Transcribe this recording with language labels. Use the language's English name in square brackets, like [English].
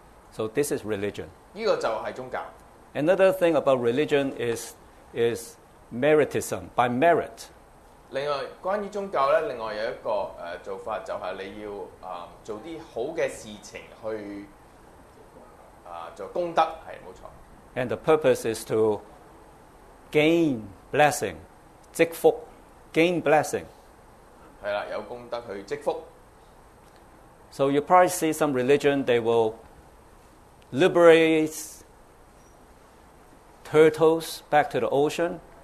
[English] So this is religion. [Cantonese] 呢個就係宗教。 [English] Another thing about religion is meritism, by merit. [Cantonese] 另外關於宗教呢另外有一個做法就是你要做啲好嘅事情去做功德係冇錯。 [English] And the purpose is to gain blessing, 積福 gain blessing. [Cantonese] 係啦有功德去積福。 [English] So you probably see some religion, they will liberate,Turtles back to the ocean.